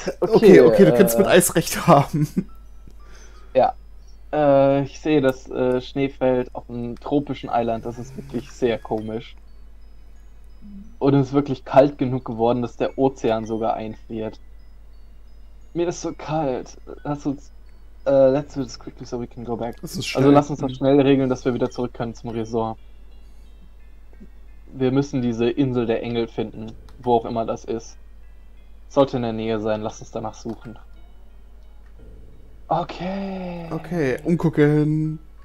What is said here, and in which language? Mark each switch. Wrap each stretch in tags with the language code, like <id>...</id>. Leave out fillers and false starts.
<de>Okay, okay, okay, du kannst mit Eis recht haben. Ja. Ich sehe das Schneefeld auf einem tropischen Island. Das ist wirklich sehr komisch. Und es ist wirklich kalt genug geworden, dass der Ozean sogar einfriert. Mir ist so kalt. Lass uns.</de> <en>Let's do this quickly so we can go back.</en> <de>Das ist also lass uns das schnell regeln, dass wir wieder zurück können zum Resort. Wir müssen diese Insel der Engel finden, wo auch immer das ist. Sollte in der Nähe sein, lass uns danach suchen. Okay. Okay, umgucken.</de>